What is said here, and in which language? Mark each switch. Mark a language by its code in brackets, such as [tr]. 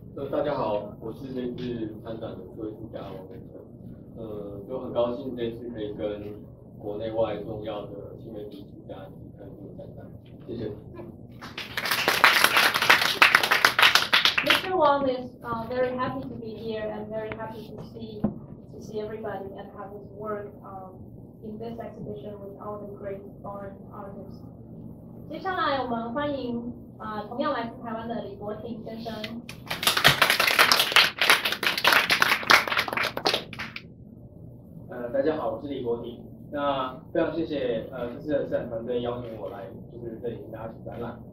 [zh] 大家好，我是这次参展的艺术家王连成，就很高兴这次可以跟国内外重要的新媒体艺术家一起参展，谢谢。 [en] Mr. Wang is very happy to be here and very happy to see everybody and have his work in this exhibition with all the great foreign artists. [zh] 接下来我们欢迎同样来自台湾的李国廷先生。大家好，我是李国廷。那非常谢谢这次的策展团队邀请我来，就是这里跟大家一起展览。